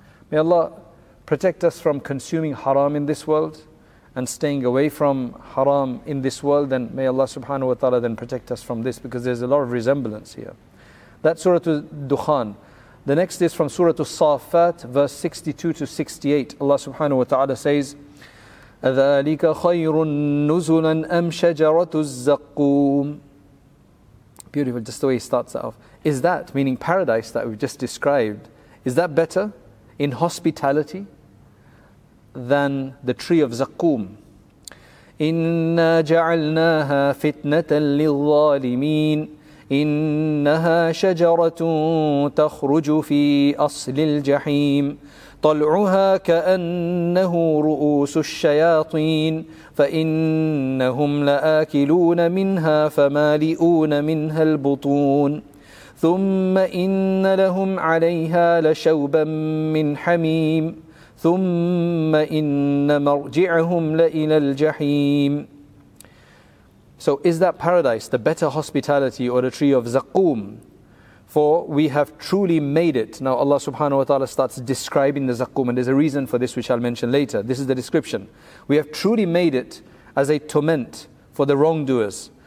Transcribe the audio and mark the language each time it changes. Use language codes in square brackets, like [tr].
[en] May Allah protect us from consuming haram in this world and staying away from haram in this world. And may Allah subhanahu wa ta'ala then protect us from this, because there's a lot of resemblance here. That's Surah Dukhan. The next is from Surah As-Saffat, verse 62 to 68. Allah subhanahu wa ta'ala says, [ar] أَذَٰلِكَ خَيْرٌ نُزُلًا أَمْ شَجَرَةُ الزَّقُّومِ. [en] Beautiful, just the way he starts that off. Is that, meaning paradise that we've just described, is that better in hospitality than the tree of Zaqqum? [ar] إِنَّا جَعَلْنَاهَا فِتْنَةً لِلظَّالِمِينَ إنها شجرة تخرج في أصل الجحيم طلعها كأنه رؤوس الشياطين فإنهم لآكلون منها فمالئون منها البطون ثم إن لهم عليها لشوبا من حميم ثم إن مرجعهم لإلى الجحيم. [en] So is that paradise, the better hospitality, or the tree of Zaqqum? For we have truly made it. Now Allah subhanahu wa ta'ala starts describing the Zaqqum, and there's a reason for this which I'll mention later. This is the description. We have truly made it as a torment for the wrongdoers.